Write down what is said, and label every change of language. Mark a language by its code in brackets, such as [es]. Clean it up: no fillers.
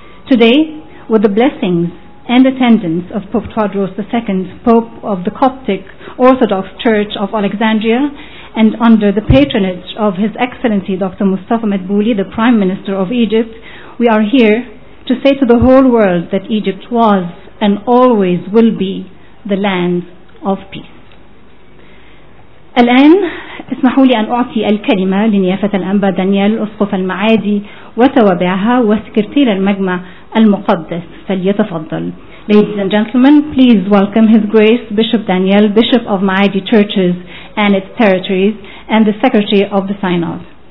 [en] Today, with the blessings and attendance of Pope Tawadros II, Pope of the Coptic Orthodox Church of Alexandria, and under the patronage of His Excellency Dr. Mustafa Medbouli, the Prime Minister of Egypt, we are here to say to the whole world that Egypt was and always will be the land of peace. [ar] الآن اسمحوا لي أن أعطي الكلمة لنيافة الأنبا دانيال أسقف المعادي وتوابعها وسكرتير المجمع المقدس، فليتفضل. [en] Ladies and gentlemen, please welcome His Grace Bishop Daniel, Bishop of Maadi Churches and its territories, and the Secretary of the Synod.